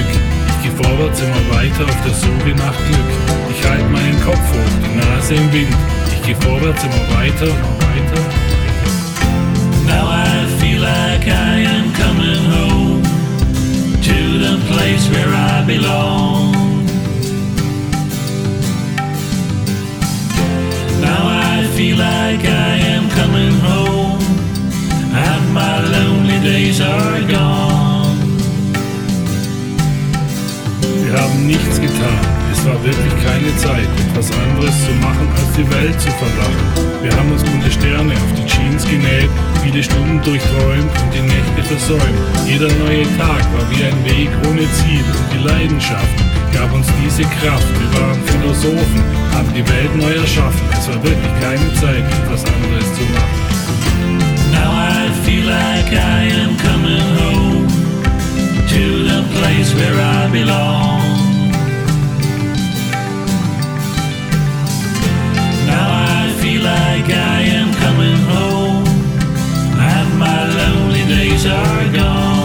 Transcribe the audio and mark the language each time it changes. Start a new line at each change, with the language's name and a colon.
German: Ich geh vorwärts immer weiter auf der Suche nach Glück. Ich halte meinen Kopf hoch, die Nase im Wind. Ich geh vorwärts immer weiter, noch weiter.
English: Now I feel like I am coming home to the place where I belong. Now I feel like I am coming home and my lonely days are gone.
German: Wir haben nichts getan, es war wirklich keine Zeit, etwas anderes zu machen als die Welt zu verlachen. Wir haben uns gute Sterne auf die Jeans genäht, viele Stunden durchträumt und die Nächte versäumt. Jeder neue Tag war wie ein Weg ohne Ziel und die Leidenschaft gab uns diese Kraft, wir waren Philosophen, haben die Welt neu erschaffen. Es war wirklich keine Zeit, etwas anderes zu machen.
English: Now I feel like I am coming home to the place where I belong. Now I feel like I am coming home and my lonely days are gone.